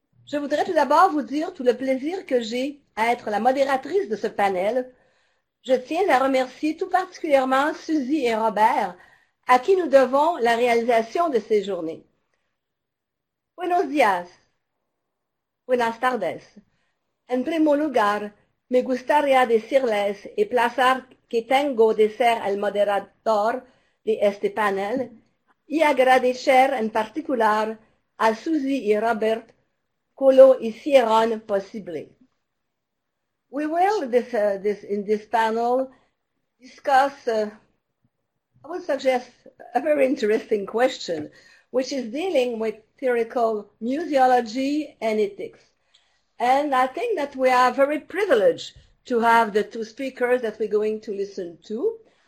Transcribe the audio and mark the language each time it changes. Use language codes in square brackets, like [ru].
[fr] Je voudrais tout d'abord vous dire tout le plaisir que j'ai à être la modératrice de ce panel. Je tiens à remercier tout particulièrement Suzy et Robert, à qui nous devons la réalisation de ces journées. [es] Buenos días. Buenas tardes. En primer lugar, me gustaría decirles y placer que tengo de ser el moderador de este panel. Y agradecer en particular a Susie y Robert que lo hicieron posible. [en] We will, in this panel, discuss, I would suggest, a very interesting question, which is dealing with theoretical museology and ethics. And I think that we are very privileged to have the two speakers that we're going to listen to.